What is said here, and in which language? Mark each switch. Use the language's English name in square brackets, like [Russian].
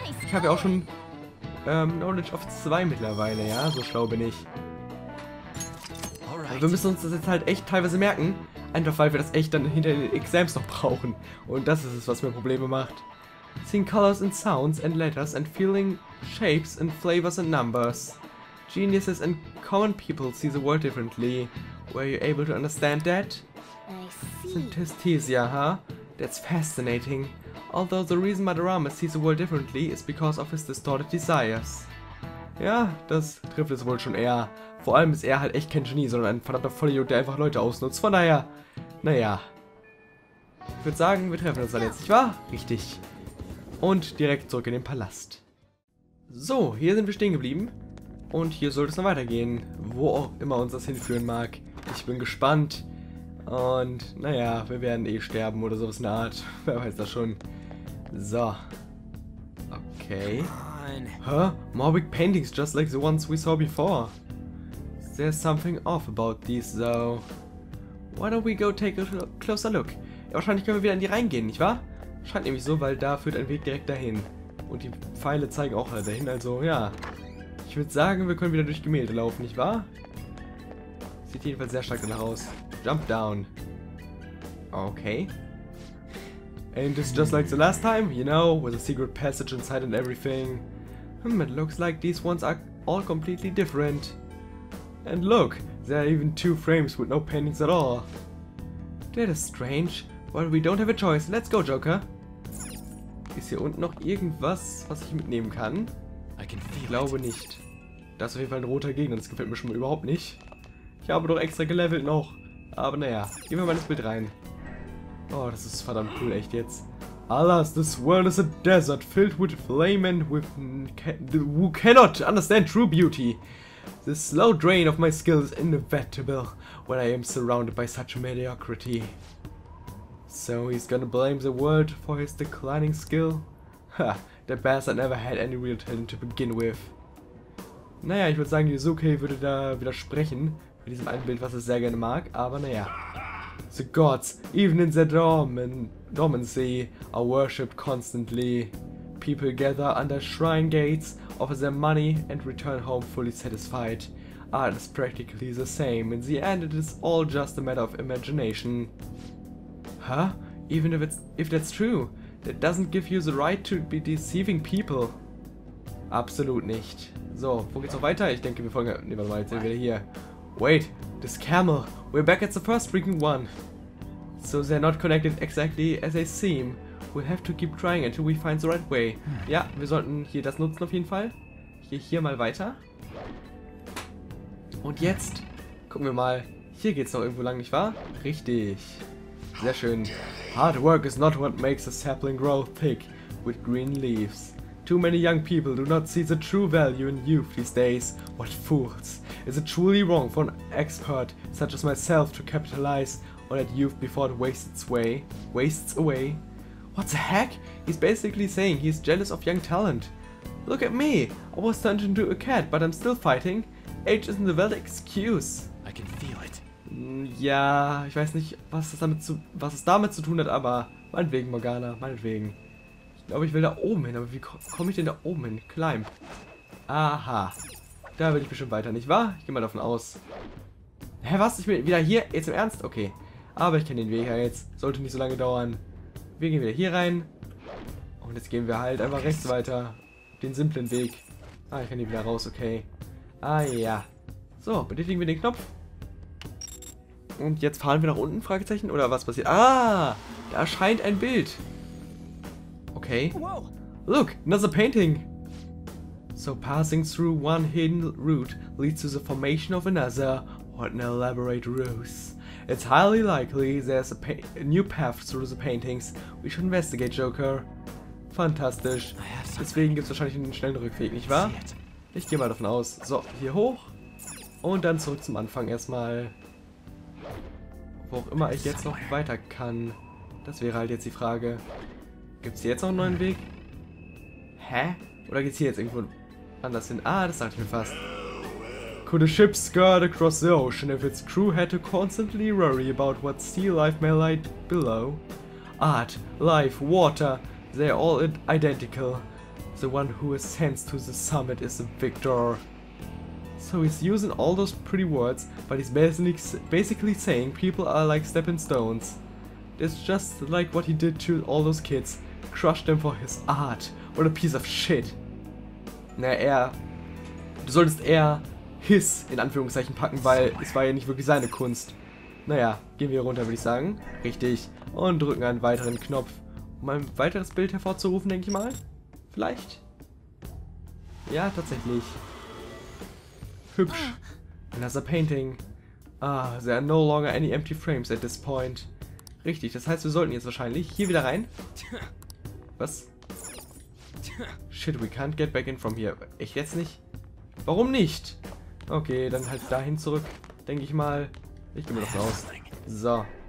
[German] Ich habe ja auch schon Knowledge of 2 mittlerweile, ja? So schlau bin ich. Aber wir müssen uns das jetzt halt echt teilweise merken. Einfach weil wir das echt dann hinter den Exams noch brauchen. Und das ist es, was mir Probleme macht. [English] Seeing colors and sounds and letters and feeling shapes and flavors and numbers. Geniuses and common people see the world differently. Were you able to understand that? I see. Synesthesia, huh? That's fascinating. Although the reason Madarama sees the world differently is because of his distorted desires. [German] Ja, das trifft es wohl schon eher. Vor allem ist er halt echt kein Genie, sondern ein verdammter Vollidiot, der einfach Leute ausnutzt. Von daher, naja. Ich würde sagen, wir treffen uns dann jetzt, nicht wahr? Richtig. Und direkt zurück in den Palast. So, hier sind wir stehen geblieben. Und hier sollte es noch weitergehen. Wo auch immer uns das hinführen mag. Ich bin gespannt. Und naja, wir werden eh sterben oder sowas in der Art. Wer weiß das schon. So. Okay. Huh? [English] Morbid paintings just like the ones we saw before. There's something off about these though. Why don't we go take a closer look? [German] Ja, wahrscheinlich können wir wieder in die reingehen, nicht wahr? Scheint nämlich so, weil da führt ein Weg direkt dahin. Und die Pfeile zeigen auch dahin, also ja. Ich würde sagen, wir können wieder durch Gemälde laufen, nicht wahr? Sieht jedenfalls sehr stark danach aus. [English] Jump down. [German] Okay. [English] And it's just like the last time, you know, with a secret passage inside and everything. It looks like these ones are all completely different. And look, there are even two frames with no paintings at all. That is strange. Well, we don't have a choice. Let's go, Joker. [German] Ist hier unten noch irgendwas, was ich mitnehmen kann? Ich glaube nicht. Das ist auf jeden Fall ein roter Gegner. Das gefällt mir schon mal überhaupt nicht. Ich habe doch extra gelevelt noch. Aber naja, gehen wir mal ins Bild rein. Oh, das ist verdammt cool, echt jetzt. [English] Alas, this world is a desert filled with flame and with who cannot understand true beauty. The slow drain of my skill is inevitable when I am surrounded by such mediocrity. So he's gonna blame the world for his declining skill? Ha, the bastard never had any real talent to begin with. [German] Naja, ich würde sagen, Yusuke würde da widersprechen mit diesem einen Bild, was er sehr gerne mag, aber naja. [English] The gods, even in their dormancy, are worshipped constantly. People gather under shrine gates, offer their money, and return home fully satisfied. Art is practically the same. In the end, it is all just a matter of imagination. Huh? Even if that's true, that doesn't give you the right to be deceiving people. [German] Absolut nicht. So, wo geht's noch weiter? Ich denke, wir folgen. Ne, warte mal, jetzt sind wir hier. [English] Wait, this camel. We're back at the first freaking one. So they're not connected exactly as they seem. We'll have to keep trying until we find the right way. [German] Ja, wir sollten hier das nutzen auf jeden Fall. Ich gehe hier mal weiter. Und jetzt gucken wir mal. Hier geht's noch irgendwo lang, nicht wahr? Richtig. Sehr schön. [English] Hard work is not what makes a sapling grow thick with green leaves. Too many young people do not see the true value in youth these days. What fools. Is it truly wrong for an expert such as myself to capitalize on that youth before it wastes away? What the heck? He's basically saying he's jealous of young talent. Look at me. I was turned into a cat, but I'm still fighting. Age isn't a valid excuse. I can feel it. [German] Ja, ich weiß nicht, was es damit zu tun hat, aber meinetwegen, Morgana, meinetwegen. Ich glaube, ich will da oben hin, aber wie komme ich denn da oben hin? Climb. Aha. Da will ich bestimmt weiter, nicht wahr? Ich gehe mal davon aus. Hä, was? Ich bin wieder hier? Jetzt im Ernst? Okay. Aber ich kenne den Weg ja jetzt. Sollte nicht so lange dauern. Wir gehen wieder hier rein. Und jetzt gehen wir halt einfach rechts weiter. Den simplen Weg. Ah, ich kann hier wieder raus, okay. Ah, ja. So, betätigen wir den Knopf. Und jetzt fahren wir nach unten, Fragezeichen? Oder was passiert? Ah, da erscheint ein Bild. Okay. [English] Look, another painting. So passing through one hidden route leads to the formation of another. What an elaborate ruse. It's highly likely there's a new path through the paintings. We should investigate, Joker. Fantastisch. [German] Deswegen gibt's wahrscheinlich einen schnellen Rückweg, nicht wahr? Ich gehe mal davon aus. So, hier hoch. Und dann zurück zum Anfang erstmal. Wo auch immer ich jetzt noch weiter kann. Das wäre halt jetzt die Frage. Gibt's hier jetzt noch einen neuen Weg? Hä? Oder geht's hier jetzt irgendwo anders hin? Ah, das sagt ich mir fast. [English] Could a ship skirt across the ocean if its crew had to constantly worry about what sea life may lie below? Art, life, water, they're all identical. The one who ascends to the summit is the victor. So he's using all those pretty words, but he's basically saying people are like stepping stones. It's just like what he did to all those kids. Crushed them for his art. What a piece of shit. Na, er... [German] Du solltest eher his in Anführungszeichen packen, weil es war ja nicht wirklich seine Kunst. Naja, gehen wir runter, würde ich sagen. Richtig. Und drücken einen weiteren Knopf, um ein weiteres Bild hervorzurufen, denke ich mal. Vielleicht? Ja, tatsächlich. Hübsch. [English] Another painting. Ah, there are no longer any empty frames at this point. [German] Richtig, das heißt, wir sollten jetzt wahrscheinlich hier wieder rein. [English] Was? Shit, we can't get back in from here. [German] Echt jetzt nicht? Warum nicht? Okay, dann halt dahin zurück, denke ich mal. Ich gehe mal noch raus. So.